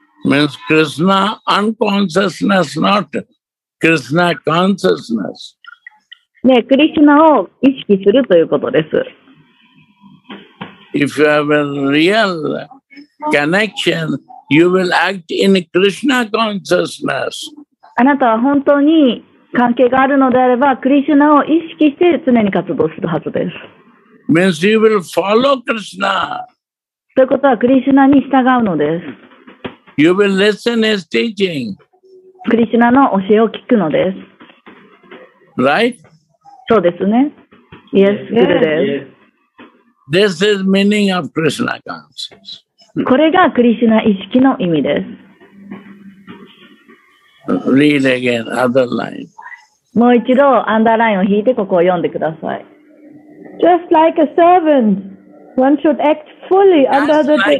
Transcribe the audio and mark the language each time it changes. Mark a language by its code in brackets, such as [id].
[en] Means Krishna unconsciousness, not Krishna consciousness. [ja] ね、Krishna を意識するということです。 [en] If you have a real connection, you will act in Krishna consciousness. [ja] あなたは本当に関係があるのであれば、クリシュナを意識して常に活動するはずです。 [en] Means you will follow Krishna. [ja] ということは、クリシュナに従うのです。 [en] You will listen his teaching. [ja] クリシュナの教えを聞くのです。 [en] Right? [ja] そうですね。 [en] Yes, good [ja] です。Yes. [en] This is meaning of Krishna consciousness. [ja] これがクリシュナ意識の意味です。 [en] Read again, other line. [ja] もう一度アンダーラインを引いてここを読んでください。 [en] Just like a servant, one should act fully under the